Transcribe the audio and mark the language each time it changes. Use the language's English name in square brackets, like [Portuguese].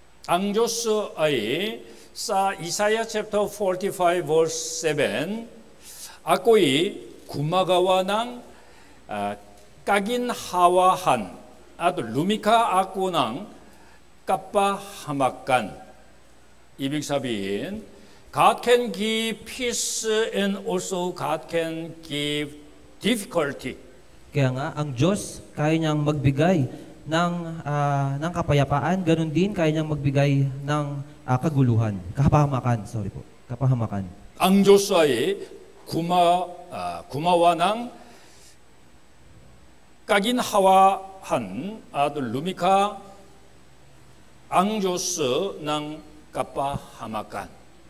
[Filipino] Ang Diyos ay sa Isaiah chapter 45 verse 7, ako'y gumagawa ng kaginhawahan at lumika ako ng kapahamakan. Ibig sabihin, [English] God can give peace and also God can give difficulty. [Filipino] Kaya nga ang Diyos kaya niyang magbigay ng kapayapaan, ganun din kaya niyang magbigay ng kaguluhan, kapahamakan, sorry po, kapahamakan. Ang Diyos ay gumawa ng kaginhawa han at lumika ang Diyos ng kapahamakan.